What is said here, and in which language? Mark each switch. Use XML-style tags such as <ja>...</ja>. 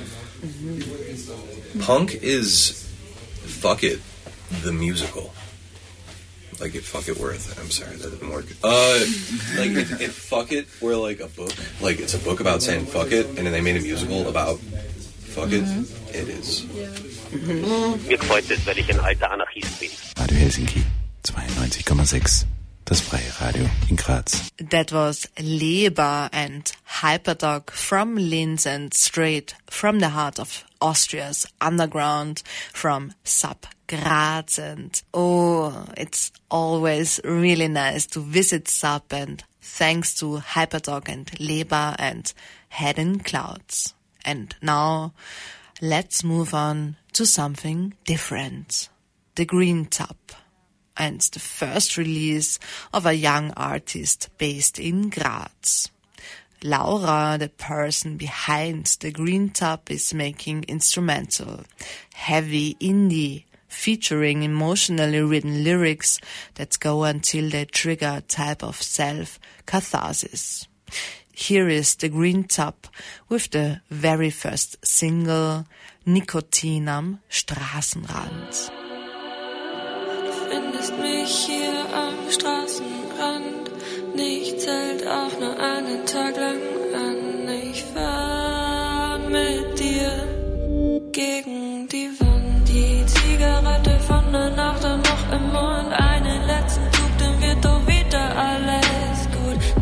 <en>Mm-hmm. Punk is fuck it, the musical. Like if fuck it were a thing. I'm sorry, that didn't work. Like if fuck it were like a book. Like it's a book about saying fuck it and then they made a musical about fuck it. Mm-hmm. It is.</en> <de>Mir gefällt es, weil ich ein alter Anarchist bin. Radio Helsinki, 92,6. Das freie Radio in Graz.</de> <en>That was Leber and Hyperdog from Linz and straight from the heart of Austria's underground from Sub Graz. And oh, it's always really nice to visit Sub and thanks to Hyperdog and Leber and Head in Clouds. And now let's move on to something different. The Green Tub. And the first release of a young artist based in Graz. Laura, the person behind the Green Tub, is making instrumental, heavy indie, featuring emotionally written lyrics that go until they trigger a type of self-catharsis. Here is the Green Tub with the very first single, Nikotin am Straßenrand.</en> <de>Findest mich hier am Straßenrand, nichts hält auch nur einen Tag lang an. Ich fahr mit dir gegen die Wand. Die Zigarette von der Nacht und noch im Mund, einen letzten Zug, dann wird doch wieder alles gut.</de>